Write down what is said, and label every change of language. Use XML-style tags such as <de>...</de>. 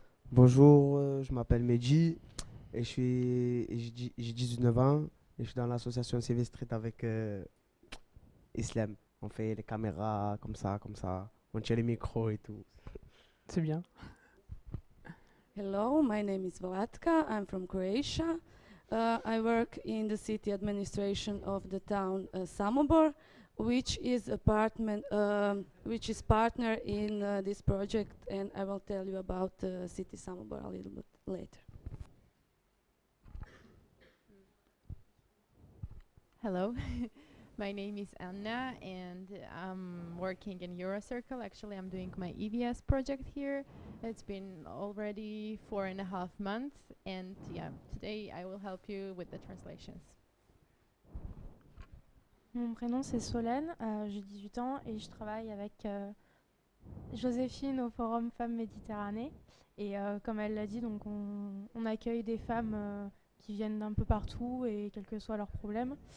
<fr>Bonjour, je m'appelle Mehdi et j'ai 19 ans et je suis dans l'association CV Street avec Islam. On fait les caméras comme ça, on tient les micros et tout. C'est bien.</fr> <en>Hello, my name is Vladka, I'm from Croatia. I work in the city administration of the town Samobor, which is partner in this project, and I will tell you about the city Samobor a little bit later. Hello, my name is Anna, and I'm working in Eurocircle. Actually, I'm doing my EVS project here. It's been already 4.5 months, and yeah, today I will help you with the translations.</en> <fr>Mon prénom c'est Solène, j'ai 18 ans et je travaille avec Joséphine au Forum Femmes Méditerranée. Et comme elle l'a dit, donc on accueille des femmes qui viennent d'un peu partout et quels que soient leurs problèmes.</fr>